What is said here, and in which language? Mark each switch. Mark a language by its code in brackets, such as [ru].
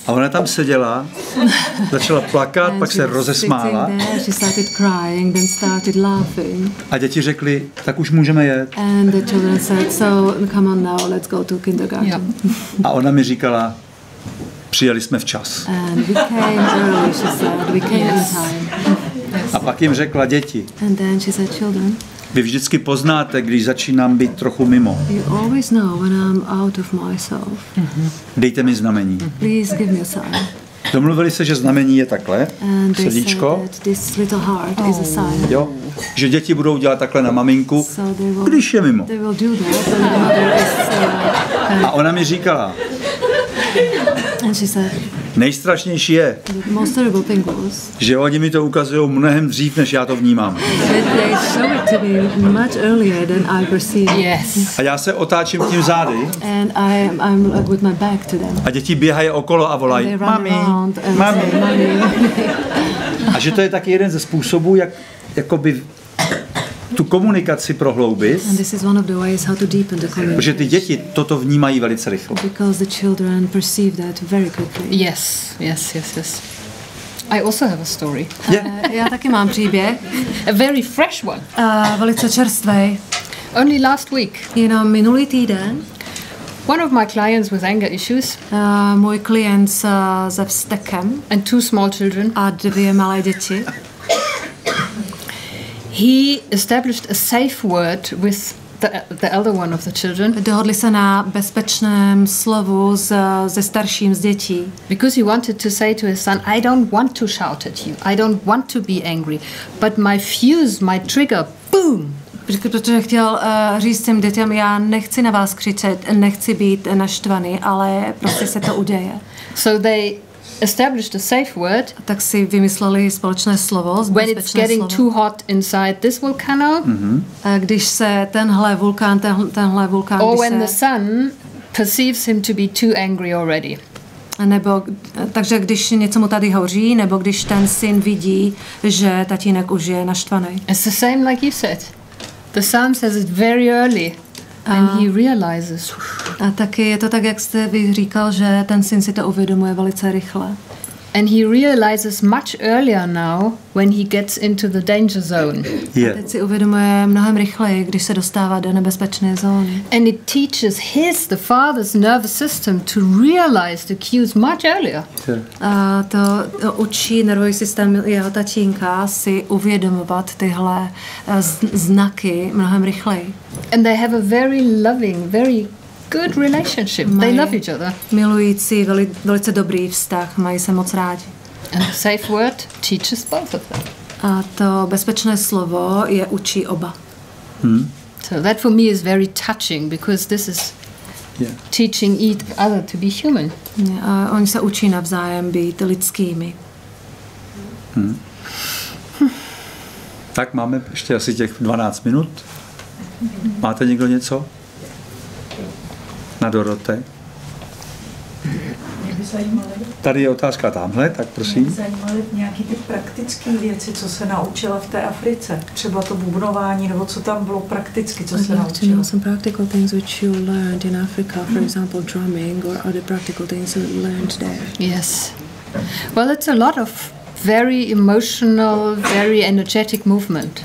[cs] A ona tam seděla, začala plakat, pak se rozesmála. [en] There, she started crying, then started laughing. [cs] A děti řekly, tak už můžeme jet. [en] And the children said, so come on now, let's go to kindergarten. Yep. [cs] A ona mi říkala, přijeli jsme včas. [en] And we came early, she said, we came in time. [cs] A pak jim řekla děti. [en] And then she said, children. [cs] Vy vždycky poznáte, když začínám být trochu mimo. [en] You always know when I'm out of myself. [cs] Dejte mi znamení. [en] Please give me a sign. [cs] Domluvili se, že znamení je takhle, [en] and [cs] srdíčko. [en] This little heart is a sign. [cs] Jo? Že děti budou dělat takhle na maminku, [en] so they will, [cs] když je mimo. [en] They will do that, so the mother is, [cs] a ona mi říkala. [en] And she said, [cs] nejstrašnější je, [en] the most terrible thing was, [cs] že oni mi to ukazují mnohem dřív, než já to vnímám. [en] They show it to me much earlier than I perceive. Yes. [cs] A já se otáčím tím zády. [en] And I'm like with my back to them. [cs] A děti běhají okolo a volají, mami, mami. A že to je taky jeden ze způsobů, jak jakoby tu komunikaci prohloubit. [en] And this is one of the ways how to deepen the communication. [cs] Protože ty děti toto vnímají velice rychle. [en] Because the children perceive that very quickly. Yes, yes, yes, yes. I also have a story. Yeah. [cs] Já taky mám příběh. [en] A very fresh one. [cs] Velice čerstvý. [en] Only last week. [cs] Jenom minulý týden. [en] One of my clients with anger issues. [cs] Můj klient se vztekem. [en] And two small children. [cs] A dvě malé děti. [en] He established a safe word with the elder one of the children. [cs] Dohodli se na bezpečném slovu se starším z dětí. [en] Because he wanted to say to his son, I don't want to shout at you. I don't want to be angry. But my fuse, my trigger, boom. [cs] Protože chtěl říct těm dětem, já nechci na vás křičet, nechci být naštvaný, ale prostě se to uděje. [en] So they established a safe word. [cs] Tak si vymysleli společné slovo. [en] When it's getting [cs] slovo. [en] Too hot inside this volcano. Mm-hmm. [cs] Když se tenhle vulkán, tenhle vulkán. [en] Or when the sun perceives him to be too angry already. [cs] Nebo takže když něco mu tady hoří, nebo když ten syn vidí, že tatínek už je naštvaný. [en] It's the same like you said. The sun says it very early. And he realizes. [cs] A taky je to tak, jak jste vy říkal, že ten syn si to uvědomuje velice rychle. [en] And he realizes much earlier now when he gets into the danger zone. Yeah. [cs] A teď si uvědomuje mnohem rychleji, když se dostává do nebezpečné zóny. [en] And it teaches his, the father's nervous system to realize the cues much earlier. Yeah. [cs] A to učí nervový systém jeho tatínka si uvědomovat tyhle znaky mnohem rychleji. [en] And they have a very loving, very good relationship. They love each other. [cs] Milující, velice dobrý vztah, mají se moc rádi. [en] And a safe word teaches both of them. [cs] A to bezpečné slovo je učí oba. Hmm. [en] So that for me is very touching because this is teaching each other to be human. [cs] A oni se učí navzájem být lidskými. Hmm. Tak máme ještě asi těch 12 minut. Máte někdo něco? Na Dorothe. Tady je otázka tamhle, tak prosím. Mě by zajímaly nějaké ty praktické věci, co se naučila v té Africe. Třeba to bubnování, nebo co tam bylo prakticky, co se naučila. [en] To know some practical things which you learned in Africa, for example, drumming or other practical things you learned there. Yes. Well, it's a lot of very emotional, very energetic movement.